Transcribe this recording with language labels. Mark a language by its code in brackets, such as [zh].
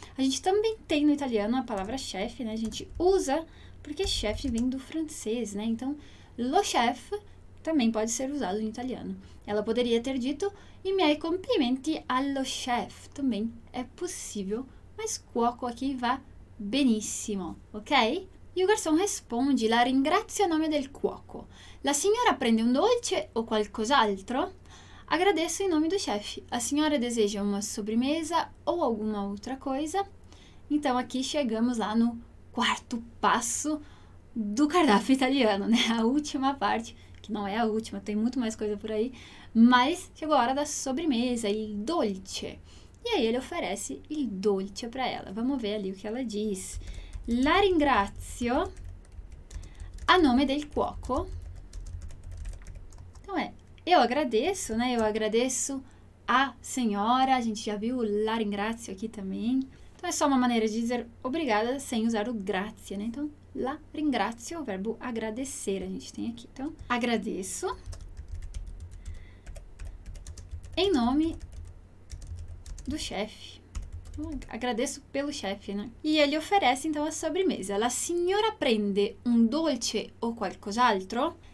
[pt] A gente também tem no italiano a palavra chefe, né? A gente usa porque chefe vem do francês, né? Então, lo chef também pode ser usado em italiano. Ela poderia ter dito [it] i miei complimenti allo chef, [pt] também é possível, mas cuoco aqui [it] va benissimo, [pt] ok? E o garçom responde, [it] la ringrazio a nome del cuoco. La signora prende un dolce o qualcos'altro? [pt] Agradeço em nome do chefe. A senhora deseja uma sobremesa ou alguma outra coisa? Então, aqui chegamos lá no quarto passo do cardápio italiano, né? A última parte, que não é a última, tem muito mais coisa por aí. Mas chegou a hora da sobremesa, il dolce. E aí ele oferece il dolce para ela. Vamos ver ali o que ela diz. [it] La ringrazio a nome del cuoco. [pt] Então, Eu agradeço a senhora, a gente já viu o [it] la ringrazio [pt] aqui também. Então, é só uma maneira de dizer obrigada sem usar o grazie, né? Então, [it] la ringrazio, [pt] o verbo agradecer a gente tem aqui. Então, agradeço em nome do chefe. Agradeço pelo chefe, né? E ele oferece então a sobremesa. [it] La signora prende un dolce o qualcos'altro?